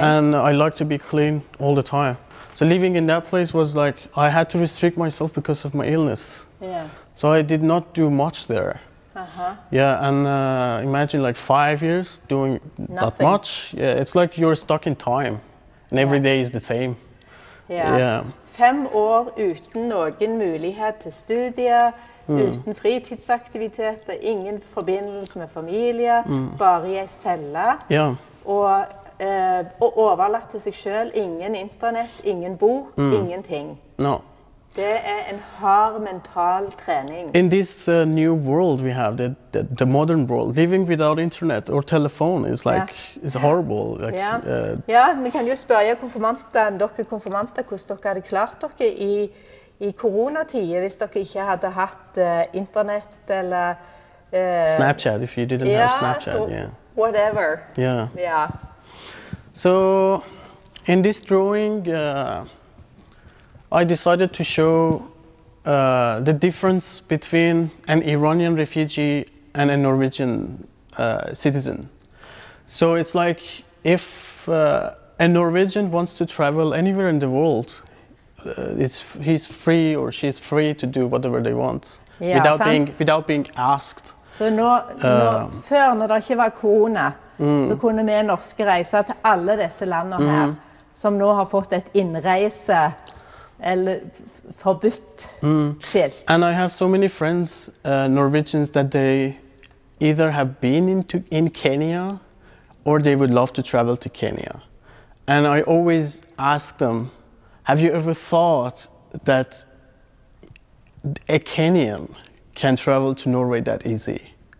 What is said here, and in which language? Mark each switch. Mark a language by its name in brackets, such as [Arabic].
[English] And I like to be clean all the time. So living in that place was like, I had to restrict myself because of my illness. Yeah. So I did not do much there. Uh-huh. Yeah, and imagine like 5 years doing nothing. That much. Yeah, it's like you're stuck in time and every day is the same. Yeah. Yeah. [Norwegian] 5 år uten noen mulighet til studier, uten fritidsaktiviteter, ingen forbindelse med familie, bare i en celle. Ja. Og overlatt til seg selv, ingen internett, ingen bok, ingenting. [English] No. [Norwegian] Det en hard mental trening. [English] In this new world we have, the modern world, living without internet or telephone is like, is horrible. Like, [Norwegian] ja, vi kan jo spørre dere konfirmanter, hvordan dere hadde klart dere i koronatiden hvis dere ikke hadde hatt internett eller... [English] Snapchat, if you didn't have Snapchat, Whatever. Yeah. Yeah. So, in this drawing, I decided to show the difference between an Iranian refugee and a Norwegian citizen. So it's like if a Norwegian wants to travel anywhere in the world, he's free or she's free to do whatever they want without being asked. [Norwegian] So før når det ikke var korona, så kunne vi norske reise til alle disse landene her, som nå har fått et innreise. Eller forbudt skilt. [English] And I have so many friends, Norwegians, that they either have been in Kenya or they would love to travel to Kenya. And I always ask them, have you ever thought that a Kenyan can travel to Norway that easy?